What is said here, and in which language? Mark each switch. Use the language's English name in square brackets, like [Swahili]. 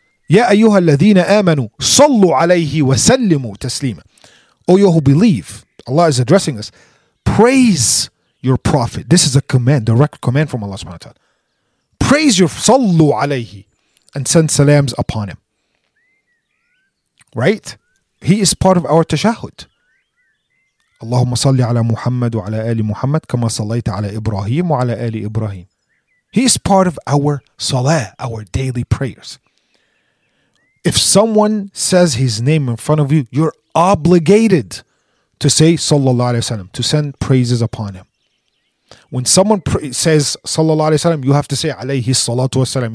[Arabic] يا أيها الذين آمنوا صلوا عليه وسلموا تسليما. [English] O you who believe, Allah is addressing us, praise your prophet. This is a command, direct command from Allah subhanahu wa ta'ala. Praise your, [Arabic] صلوا عليه, [English] and send salams upon him. Right? He is part of our tashahud. [Arabic] اللهم صل على محمد وعلى آل محمد كما صليت على إبراهيم وعلى آل إبراهيم. [English] He is part of our salah, our daily prayers. If someone says his name in front of you, you're obligated to say sallallahu alaihi wasallam, to send praises upon him. When someone says sallallahu alaihi wasallam, you have to say alayhi salatu wasalam.